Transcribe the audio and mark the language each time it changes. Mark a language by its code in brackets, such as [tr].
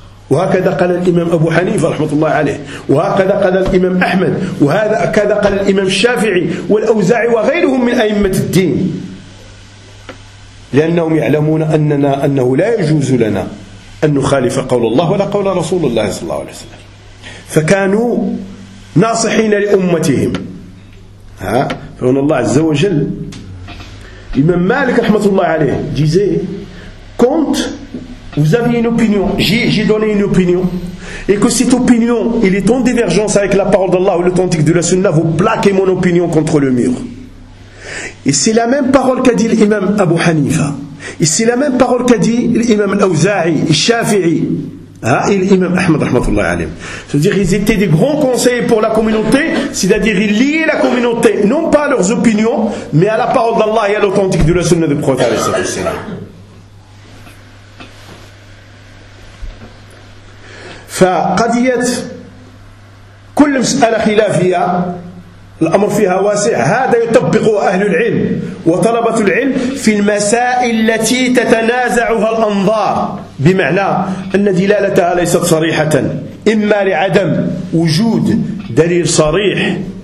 [ar] وهكذا قال الامام ابو حنيفه رحمه الله عليه، وهكذا قال الامام احمد، وهذا كذا قال الامام الشافعي والاوزاعي وغيرهم من ائمه الدين، لانهم يعلمون اننا انه لا يجوز لنا ان نخالف قول الله ولا قول رسول الله صلى الله عليه وسلم. فكانوا ناصحين لامتهم. ها فان الله عز وجل امام مالك رحمه الله عليه جيزي كنت [fr] Vous aviez une opinion, j'ai donné une opinion, et que cette opinion, il est en divergence avec la parole d'Allah ou l'authentique de la Sunna, vous plaquez mon opinion contre le mur. Et c'est la même parole qu'a dit l'imam Abu Hanifa, et c'est la même parole qu'a dit l'imam Al-Awza'i, Al-Shafi'i, et l'imam Ahmad, rahmatullahi alayhi. C'est-à-dire qu'ils étaient des grands conseillers pour la communauté, c'est-à-dire qu'ils liaient la communauté, non pas à leurs opinions, mais à la parole d'Allah et à l'authentique de la Sunna du Prophète. [ar] فقضية كل مسألة خلافية الأمر فيها واسع، هذا يطبقه أهل العلم وطلبة العلم في المسائل التي تتنازعها الأنظار، بمعنى أن دلالتها ليست صريحة، إما لعدم وجود دليل صريح